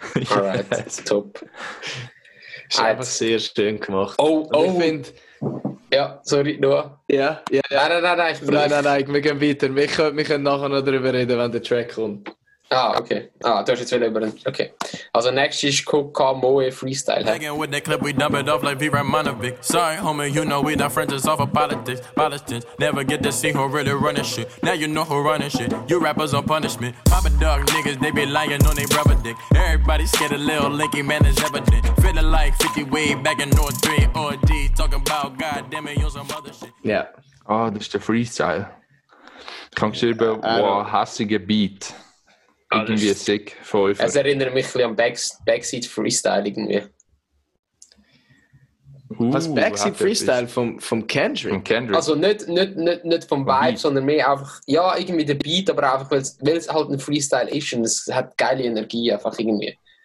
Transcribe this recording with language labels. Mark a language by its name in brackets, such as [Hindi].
[English] Alright, top. [German] Ist einfach sehr schön gemacht. Oh. Ich finde... Ja, sorry, Noah. Ja. Nein, wir gehen weiter. Wir können nachher noch darüber reden, wenn der Track kommt. Ah, okay. Ah, du hast jetzt wieder über den... Okay. [English] Also, next is Coco Moe Freestyle. Hanging with the clip, we dump it off like V. Romanovic. Sorry, homie, you know we not friends, it's all for politics. Politics, never get to see who really running shit. Now you know who running shit. You rappers on punishment. Papa dog niggas, they be lying on their brother dick. Everybody scared of Lil Linky, man, it's evident. Feeling like 50 way back in North 3 or D. Talking about goddamn it, you some other shit. Yeah. [German] Oh, das ist der Freestyle. Kommst du über, wow, hassige Beat. Irgendwie alles. Sick, Fäufer. Es erinnert mich ein bisschen an Backseat Freestyle irgendwie. Was, Backseat Freestyle vom Kendrick? Von Kendrick. Also nicht vom Vibe, Beat. Sondern mehr einfach, ja, irgendwie der Beat, aber einfach, weil es halt ein Freestyle ist und es hat geile Energie einfach irgendwie.